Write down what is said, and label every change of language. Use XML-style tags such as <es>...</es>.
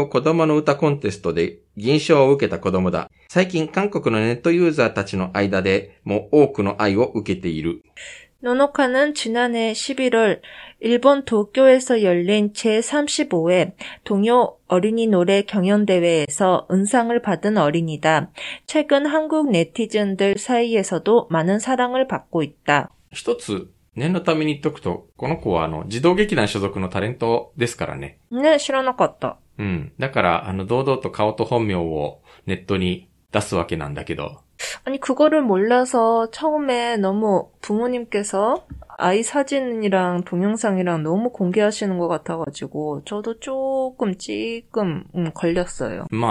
<ja>野乃花ちゃんは昨年11月東京で開かれた第35回童謡子供の歌コンテストで銀賞を受けた子供だ。最近韓国のネットユーザーたちの間でも多くの愛を受けている。</ja> <ko>노노카는 지난해 11월 일본 도쿄에서 열린 제35회 동요 어린이 노래 경연대회에서 은상을 받은 어린이다. 최근 한국 네티즌들 사이에서도 많은 사랑을 받고 있다.</ko> <ja>1つ 念のために言っとくと、この子は児童劇団所属のタレントですからね。ね、知らなかった。うん、だから堂々と顔と本名をネットに出すわけなんだけど。</ja> <ko>아니 그거를 몰라서 처음에 너무 부모님께서 아이 사진이랑 동영상이랑 너무 공개하시는 것 같아가지고 저도 조금 찌끔 걸렸어요.</ko>